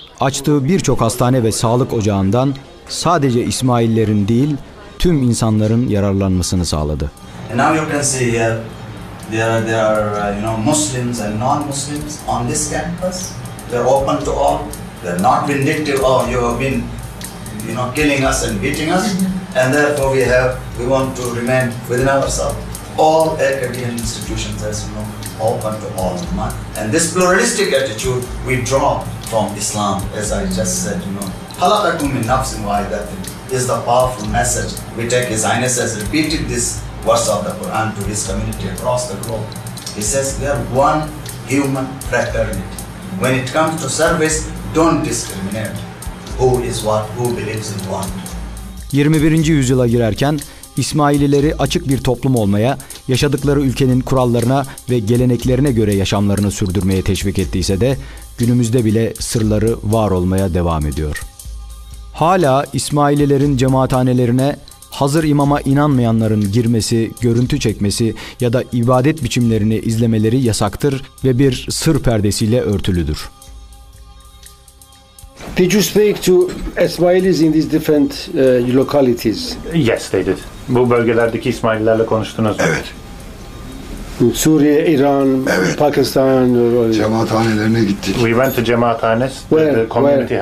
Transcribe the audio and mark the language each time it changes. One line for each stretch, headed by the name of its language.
Turkish: Açtığı birçok hastane ve sağlık ocağından sadece İsmaillerin değil, tüm insanların yararlanmasını sağladı.
English: And now you can see here, there are Muslims and non-Muslims on this campus. They're open to all. They're not vindictive. Oh, you have been, killing us and beating us. And therefore we want to remain within ourselves. All academic institutions, as you know, open to all. And this pluralistic attitude we draw from Islam, as I just said,
Arabic: Halakatum min nafsin wahidatin
English: is the powerful message we take. His Highness has repeated this verse of the Quran to his community across the globe. He says we are one human fraternity. When it comes to service, don't discriminate who is what, who believes in what.
Turkish: 21. yüzyıla girerken İsmaililer'i açık bir toplum olmaya, yaşadıkları ülkenin kurallarına ve geleneklerine göre yaşamlarını sürdürmeye teşvik ettiyse de günümüzde bile sırları var olmaya devam ediyor. Hala İsmaililer'in cemaathanelerine hazır imama inanmayanların girmesi, görüntü çekmesi ya da ibadet biçimlerini izlemeleri yasaktır ve bir sır perdesiyle örtülüdür.
English: Did you speak to Ismailis in these different localities? Yes, they did.
Turkish: Bu bölgelerdeki İsmaililerle konuştunuz mu? Evet. Suriye, İran, evet. Pakistan. Cemaathanelerine gittik.
English: We went to cemaathanes, where, the community where?